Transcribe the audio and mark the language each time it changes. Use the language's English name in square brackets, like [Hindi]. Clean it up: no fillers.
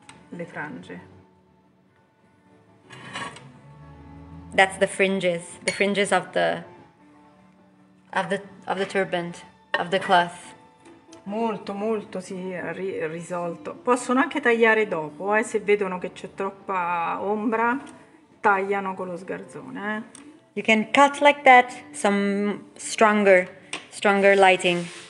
[Italian] Le frange. [English] That's the fringes of the turban, of the cloth. [Italian] Molto molto si sì, risolto. Possono anche tagliare dopo, se vedono che c'è troppa ombra, tagliano con lo sgarzone. [English] You can cut like that, some stronger lighting.